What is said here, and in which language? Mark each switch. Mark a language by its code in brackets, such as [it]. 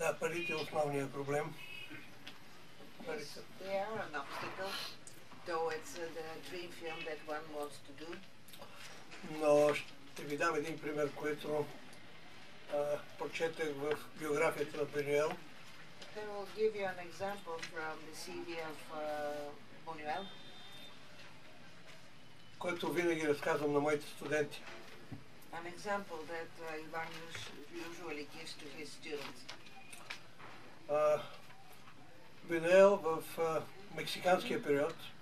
[en] Problem. Yes, there are an obstacle towards the dream film that one wants to do. [bg] No, ще ви дам един пример, което прочетах в биографията на Бунюел. [en] I will give you an example from the CV of Бунюел, [bg] което винаги разказвам на моите студенти. [en] An example that Иван usually gives to his students. [bg] Бунюел в мексиканския период,